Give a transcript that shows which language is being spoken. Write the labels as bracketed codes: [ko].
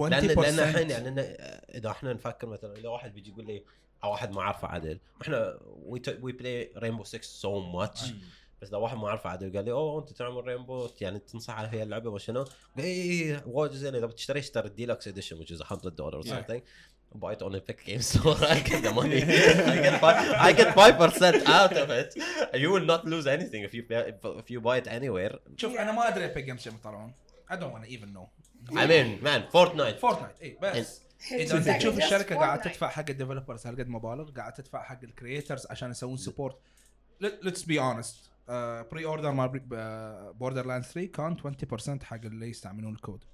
[ar] لأن إحنا يعني إذا إحنا نفكر مثلاً إذا واحد بيجي يقول لي أو واحد ما عارفه عدل إحنا [en] we play Rainbow Six so much. [ar] بس إذا واحد ما عارفه عدل قال لي أوه أنت تعمل Rainbow يعني تنصح على هي اللعبة ما شنو؟ إيه واجد زين إذا بتشتري اشتري Deluxe Edition [en] which is $100 something. Buy it on Epic Games, so I get the money. I get 5% out of it. You will not lose anything if you buy it anywhere. [ar] شوف أنا ما أدري Epic Games شو مطلعون. [en] I don't want to even know. I mean, man, Fortnite. Fortnite. [ar] إيه بس. إذا تشوف الشركة قاعدة تدفع حق الديفلوبرز هالقد مبالغ قاعدة تدفع حق الكرياترز عشان يسوون سبورت. [en] Let's be honest. Pre-order my Borderlands 3 [ar] كان 20% حق اللي يستعملون الكود.